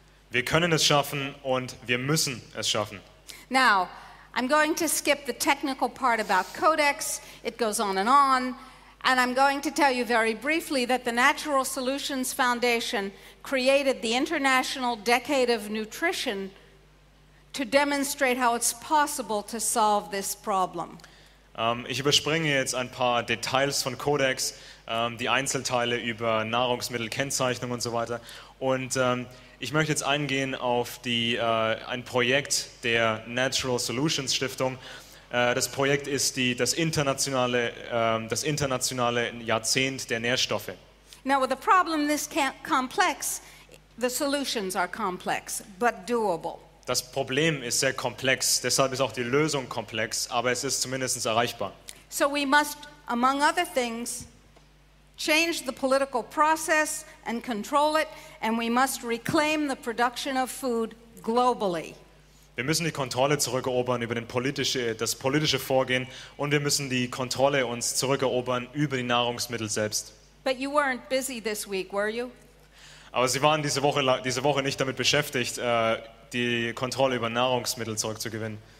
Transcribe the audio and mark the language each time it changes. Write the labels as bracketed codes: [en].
[de] Wir können es schaffen und wir müssen es schaffen. [en] Now, I'm going to skip the technical part about Codex. It goes on and on. And I'm going to tell you very briefly that the Natural Solutions Foundation created the International Decade of Nutrition to demonstrate how it's possible to solve this problem. [de] Ich überspringe jetzt ein paar Details von Codex, die Einzelteile über Nahrungsmittelkennzeichnung und so weiter. Und ich möchte jetzt eingehen auf ein Projekt der Natural Solutions Stiftung. Das Projekt ist das internationale Jahrzehnt der Nährstoffe. [en] Now with a problem this complex, the solutions are complex, but doable. [de] Das Problem ist sehr komplex, deshalb ist auch die Lösung komplex, aber es ist zumindest erreichbar. [en] So we must, among other things, change the political process and control it, and we must reclaim the production of food globally. [de] Wir müssen die Kontrolle zurückerobern über das politische Vorgehen, und wir müssen die Kontrolle uns zurückerobern über die Nahrungsmittel selbst. [en] But you weren't busy this week, were you? [de] Aber Sie waren diese Woche nicht damit beschäftigt, die Kontrolle über Nahrungsmittel zurückzugewinnen.